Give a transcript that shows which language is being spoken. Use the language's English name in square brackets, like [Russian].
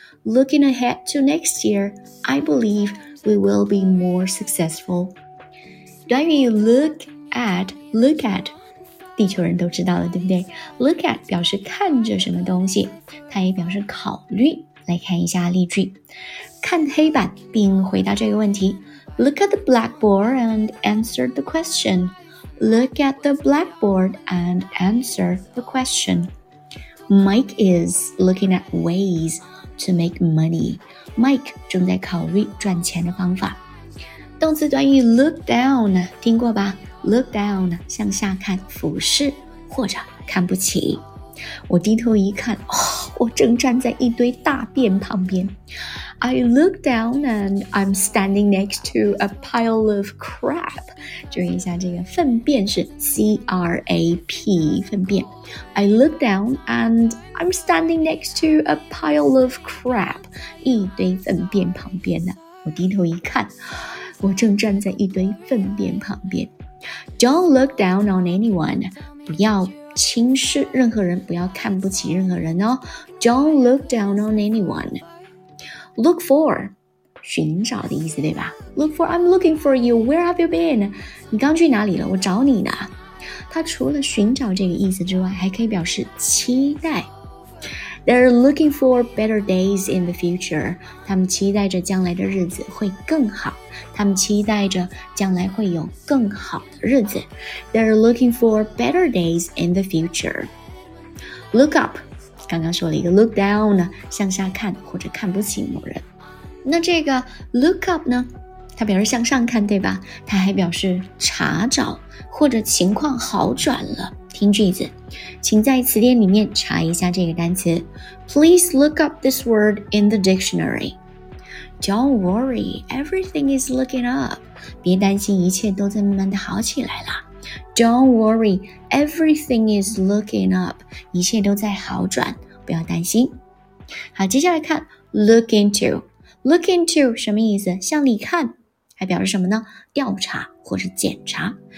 [English] Looking ahead to next year, I believe we will be more successful. [Chinese] 短语 look at,地球人都知道了，对不对 ？Look at 表示看着什么东西，它也表示考虑。来看一下例句，看黑板并回答这个问题。 [English] Look at the blackboard and answer the question. Look at the blackboard and answer the question. Mike is looking at ways to make money. [Chinese] Mike 正在考虑赚钱的方法。动词短语 look down 听过吧？ look down 向下看，俯视或者看不起。我低头一看，哦，我正站在一堆大便旁边。 [English] I look down and I'm standing next to a pile of crap. [Chinese] 注意一下这个粪便是 C-R-A-P, 粪便。 [English] I look down and I'm standing next to a pile of crap. [Chinese] 一堆粪便旁边的。我低头一看，我正站在一堆粪便旁边。 [English] Don't look down on anyone. [Chinese] 不要轻视任何人，不要看不起任何人哦。 [English] Don't look down on anyone. Look for, [Chinese] 寻找的意思对吧 [English] ?Look for, I'm looking for you, where have you been? [Chinese] 你刚去哪里了我找你呢。它除了寻找这个意思之外还可以表示期待。 [English] They're looking for better days in the future. [Chinese] 他们期待着将来的日子会更好。他们期待着将来会有更好的日子。 [English] They're looking for better days in the future. [Chinese] Look up. 刚刚说了一个 look down, 向下看或者看不起某人。那这个 look up 呢它表示向上看对吧它还表示查找或者情况好转了。听句子请在词典里面查一下这个单词。 [English] Please look up this word in the dictionary. Don't worry, everything is looking up. [Chinese] 别担心一切都在慢慢的好起来了。 [English] Don't worry, everything is looking up. [Chinese] 一切都在好转，不要担心。好，接下来看 look into. Look into 什么意思？向里看，还表示什么呢？调查或者检查。